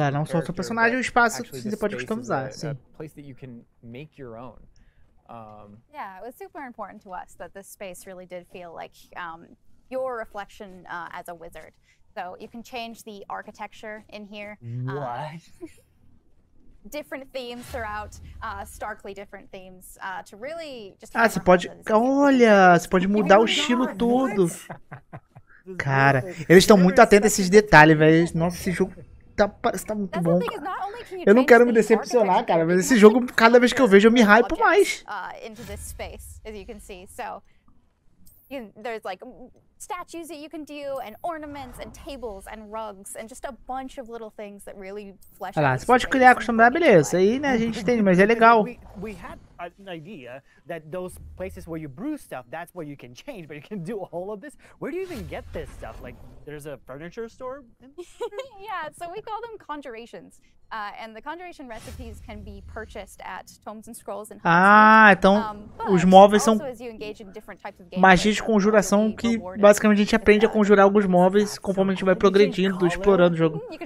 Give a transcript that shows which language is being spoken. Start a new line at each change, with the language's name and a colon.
Portuguese: Ela não só o seu personagem, o espaço que você pode customizar, sim.
English: A place that you can make your own. Yeah, it was super important to us that this space really did feel like your reflection as a wizard. So you can change the architecture in here. What? Different themes throughout, starkly different themes, to really just...
Portuguese: Ah, você pode... Olha, você pode mudar o estilo todo. Cara, eles estão muito atentos a esses detalhes, velho. Nossa, esse jogo tá muito bom. Eu não quero me decepcionar, cara, mas esse jogo, cada vez que eu vejo, eu me hypo mais.
English: Into this space, as you can see, so... There's like statues that you can do, and ornaments, and tables, and rugs, and just a bunch of little things that really flesh out.
Portuguese: Ah, você pode criar, customizar, beleza. Aí, né, a gente tem, mas é legal.
English: We had an idea that those places where you brew stuff, that's where you can change, but you can do all of this. Where do you even get this stuff? Like, there's a furniture store? Yeah, so we call them conjurations. And the conjuration recipes can be purchased at Tomes and Scrolls and
Portuguese: então os móveis são magias de conjuração que basicamente a gente aprende a conjurar alguns móveis conforme a gente vai progredindo, explorando o jogo.